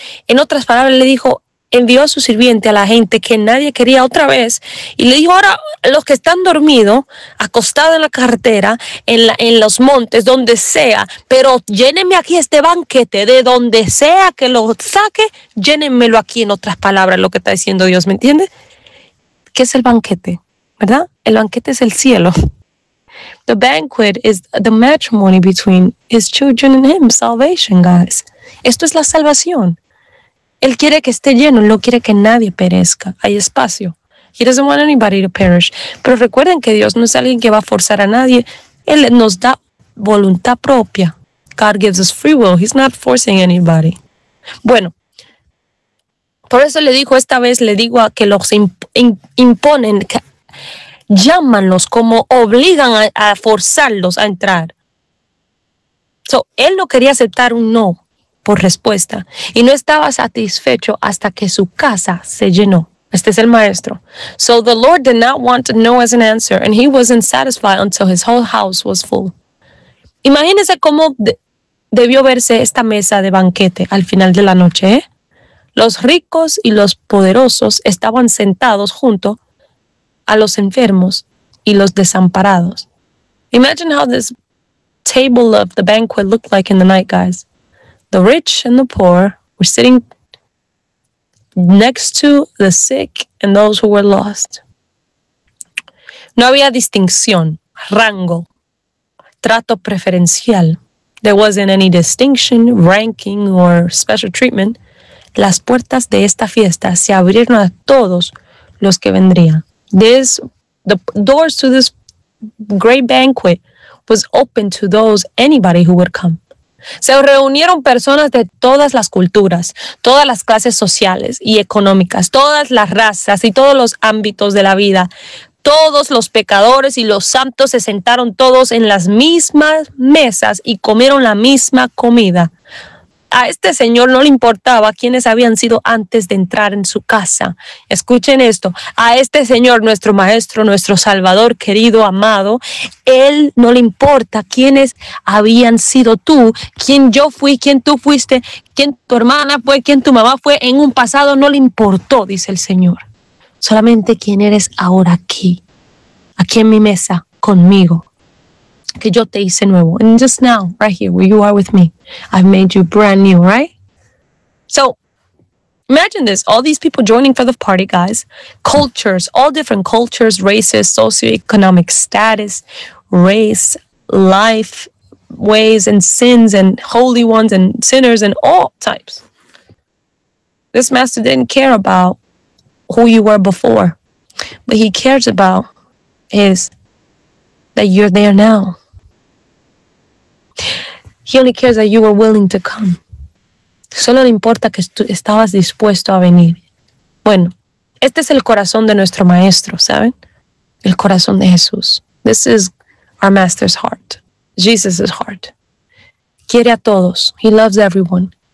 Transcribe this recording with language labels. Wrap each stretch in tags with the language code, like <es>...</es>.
<es>En otras palabras, le dijo, envió a su sirviente a la gente que nadie quería otra vez y le dijo, ahora los que están dormidos, acostados en la carretera, en los montes, donde sea, pero llénenme aquí este banquete, de donde sea que lo saque, llénenmelo aquí. En otras palabras, lo que está diciendo Dios, ¿me entiende? ¿Qué es el banquete? ¿Verdad? El banquete es el cielo.</es> <en>The banquet is the matrimony between his children and him, salvation, guys.</en> <es>Esto es la salvación. Él quiere que esté lleno, no quiere que nadie perezca. Hay espacio.</es> <en>He doesn't want anybody to perish.</en> <es>Pero recuerden que Dios no es alguien que va a forzar a nadie. Él nos da voluntad propia.</es> <en>God gives us free will. He's not forcing anybody.</en> <es>Bueno, por eso le dijo, esta vez le digo a que los imponen, que llámanlos, como obligan a forzarlos a entrar. So, él no quería aceptar un no por respuesta, y no estaba satisfecho hasta que su casa se llenó. Este es el maestro.</es> <en>So the Lord did not want no as an answer, and he wasn't satisfied until his whole house was full.</en> <es>Imagínese cómo debió verse esta mesa de banquete al final de la noche, ¿eh? Los ricos y los poderosos estaban sentados junto a los enfermos y los desamparados.</es> <en>Imagine how this table of the banquet looked like in the night, guys. The rich and the poor were sitting next to the sick and those who were lost.</en> <es>No había distinción, rango, trato preferencial.</es> <en>There wasn't any distinction, ranking, or special treatment.</en> <es>Las puertas de esta fiesta se abrieron a todos los que vendrían.</es> <en>The doors to this great banquet was open to those, anybody who would come.</en> <es>Se reunieron personas de todas las culturas, todas las clases sociales y económicas, todas las razas y todos los ámbitos de la vida. Todos los pecadores y los santos se sentaron todos en las mismas mesas y comieron la misma comida. A este señor no le importaba quiénes habían sido antes de entrar en su casa. Escuchen esto. A este señor, nuestro maestro, nuestro salvador, querido, amado, él no le importa quiénes habían sido tú, quién yo fui, quién tú fuiste, quién tu hermana fue, quién tu mamá fue en un pasado. No le importó, dice el Señor. Solamente quién eres ahora aquí en mi mesa, conmigo. Que yo te hice nuevo.</es> <en>And just now, right here, where you are with me, I've made you brand new, right? So, imagine this. All these people joining for the party, guys. Cultures, all different cultures, races, socioeconomic status, race, life, ways and sins and holy ones and sinners and all types. This master didn't care about who you were before. What he cares about is that you're there now. He only cares that you were willing to come.</en> <es>Solo le importa que estabas dispuesto a venir. Bueno, este es el corazón de nuestro maestro, ¿saben? El corazón de Jesús.</es> <en>This is our master's heart. Jesus's heart.</en> <es>Quiere a todos.</es> <en>He loves everyone.</en>